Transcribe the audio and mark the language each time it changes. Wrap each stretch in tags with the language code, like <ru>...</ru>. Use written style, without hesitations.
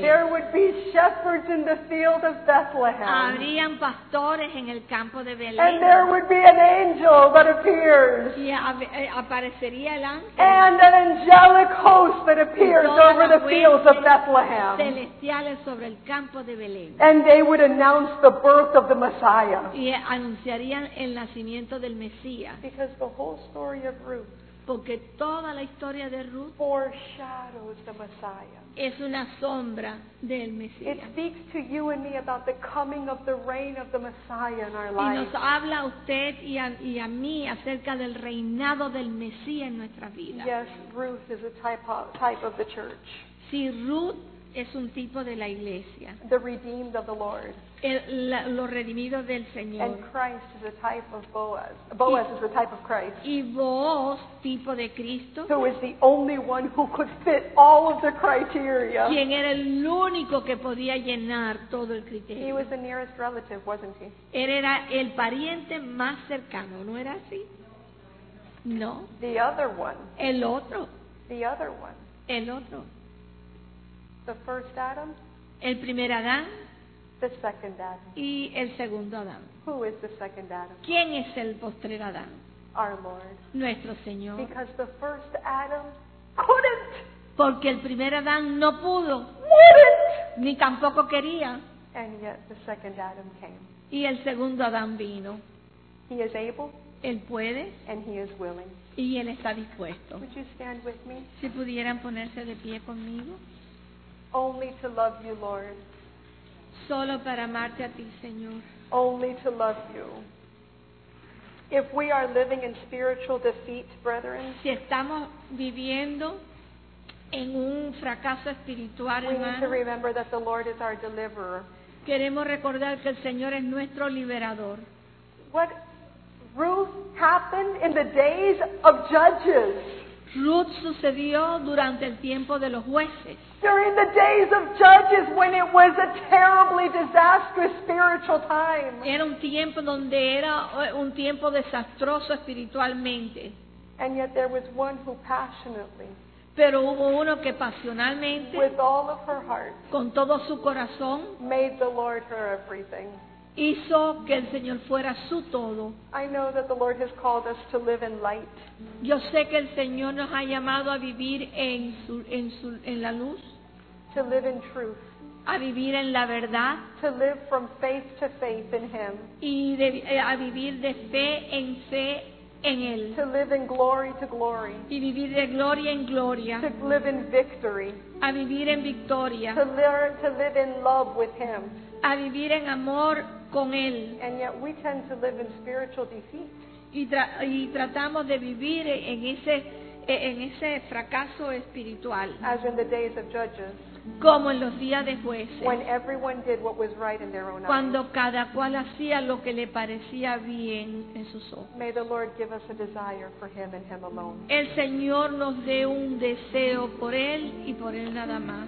<en>there would be shepherds in the field of Bethlehem.</en> <es>Habrían pastores en el campo de Belén.</es> <en>And there would be an angel that appears.</en> <es>Y aparecería el ángel.</es> <en>And an angelic host that appears over the fields of Bethlehem.</en> <es>Celestiales sobre el campo de Belén.</es> <en>And they would announce the birth of the Messiah.</en> <es>Y anunciarían el nacimiento del Mesías.</es> <en>Because the whole story of Ruth.</en> <es>Porque toda la historia de Ruth</es> <en>foreshadows the Messiah.</en> <es>Es una sombra del Mesías.</es> <en>It speaks to you and me about the coming of the reign of the Messiah in our lives.</en> <es>Y nos habla a usted y a mí acerca del reinado del Mesías en nuestra vida.</es> <en>Yes, Ruth is a type of the church.</en> <es>Sí, Ruth es un tipo de la iglesia.</es> <en>The redeemed of the Lord.</en> <es>Los redimidos del Señor.</es> <en>And Christ is a type of Boaz. Boaz is a type of Christ.</en> <es>Y Boaz, tipo de Cristo.</es> <en>Who is the only one who could fit all of the criteria.</en> <es>Quien era el único que podía llenar todo el criterio.</es> <en>He was the nearest relative, wasn't he?</en> <es>Él era el pariente más cercano, ¿no era así?</es> <en>No. The other one.</en> <es>El otro.</es> <en>The other one.</en> <es>El otro.</es> <en>The first Adam.</en> <es>El primer Adán.</es> <en>The second Adam.</en> <es>Y el segundo Adán.</es> <en>Who is the second Adam?</en> <es>¿Quién es el postrer Adán?</es> <en>Our Lord.</en> <es>Nuestro Señor.</es> <en>Because the first Adam couldn't.</en> <es>Porque el primer Adán no pudo.</es> <en>Wouldn't.</en> <es>Ni tampoco quería.</es> <en>And yet the second Adam came.</en> <es>Y el segundo Adán vino.</es> <en>He is able.</en> <es>Él puede.</es> <en>And he is willing.</en> <es>Y él está dispuesto.</es> <en>Would you stand with me?</en> <es>Si pudieran ponerse de pie conmigo.</es> <en>Only to love you, Lord.</en> <es>Solo para amarte a ti, Señor.</es> <en>Only to love you. If we are living in spiritual defeat, brethren,</en> <es>si estamos viviendo en un fracaso espiritual,</es> <en>we</en> <es>hermano,</es> <en>need to remember that the Lord is our deliverer.</en> <es>Queremos recordar que el Señor es nuestro liberador.</es> <en>What Ruth happened in the days of Judges.</en> <es>Ruth sucedió durante el tiempo de los jueces.</es> <en>During the days of Judges, when it was a terribly disastrous spiritual time.</en> <es>Era un tiempo donde era un tiempo desastroso espiritualmente.</es> <en>And yet there was one who passionately.</en> <es>Pero hubo uno que pasionalmente.</es> <en>With all of her heart.</en> <es>Con todo su corazón.</es> <en>Made the Lord her everything.</en> <es>Hizo que el Señor fuera su todo.</es> <en>I know that the Lord has called us to live in light.</en> <es>Yo sé que el Señor nos ha llamado a vivir en la luz.</es> <en>To live in truth.</en> <es>A vivir en la verdad.</es> <en>To live from faith to faith in Him.</en> <es>Y a vivir de fe en Él.</es> <en>To live in glory to glory.</en> <es>Y vivir de gloria en gloria.</es> <en>To live in victory.</en> <es>A vivir en victoria.</es> <en>To learn to live in love with Him.</en> <es>A vivir en amor con Él.</es> <en>And yet we tend to live in spiritual defeat.</en> <es>Y tratamos de vivir en ese fracaso espiritual.</es> <en>As in the days of Judges.</en> <es>Como en los días de jueces.</es> <en>When everyone did what was right in their own eyes.</en> <es>Cuando cada cual hacía lo que le parecía bien en sus ojos.</es> <en>May the Lord give us a desire for Him and Him alone.</en> <es>El Señor nos dé un deseo por Él y por Él nada más.</es>